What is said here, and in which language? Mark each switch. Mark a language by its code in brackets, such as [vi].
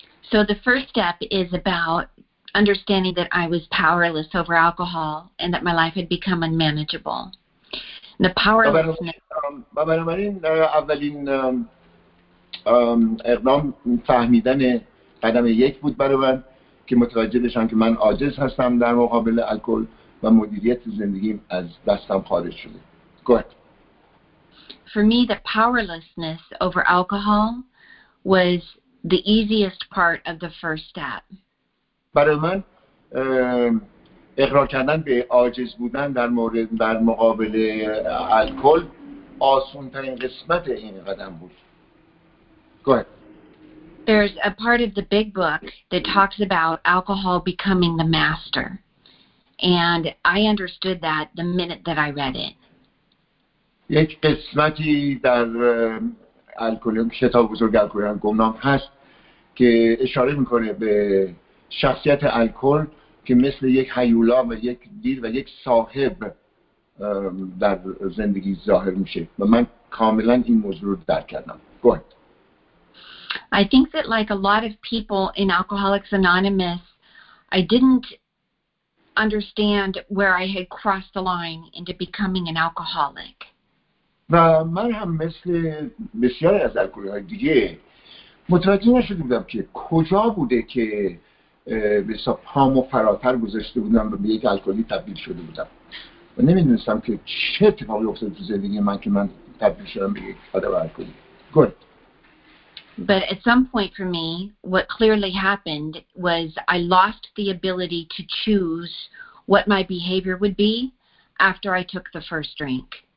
[en] So the first step is about understanding that I was powerless over alcohol and that my life had become unmanageable. The powerlessness. [fa] اولین اقدام فهمیدن قدم یک بود برای من که متوجه بشم که من عاجز هستم در مقابل الکل و مدیریت زندگیم از دستم خارج شده. [en] Go ahead. For me, the powerlessness over alcohol was the easiest part of the first step. [fa] برای من اقرار کردن به عاجز بودن در مقابل الکل آسان‌ترین قسمت این قدم بود. [en] Go ahead. There's a part of the big book that talks about alcohol becoming the master. And I understood that the minute that I read it. [fa] یک قسمتی در الکلیون کتاب بزرگ الکلیون گمنام هست که اشاره میکنه به شخصیت الکل که مثل یک هیولا و یک دیر و یک صاحب در زندگی ظاهر میشه و من کاملا این موضوع رو درک کردم. [en] Go ahead. I think that like a lot of people in Alcoholics Anonymous, I didn't understand where I had crossed the line into becoming an alcoholic. [fa] و من هم مثل بسیاری از الکلی‌های دیگه متوجه نشده بودم که کجا بوده که بسیار پامو فراتر گذاشته بودم و به یک الکلی تبدیل شده بودم و نمی‌دونستم که چه اتفاقی افتاده تو زندگی من که من تبدیل شدم به یک آدم الکلی. [en] Good. But at some point for me, what clearly happened was I lost the ability to choose what my behavior would be after I took the first drink.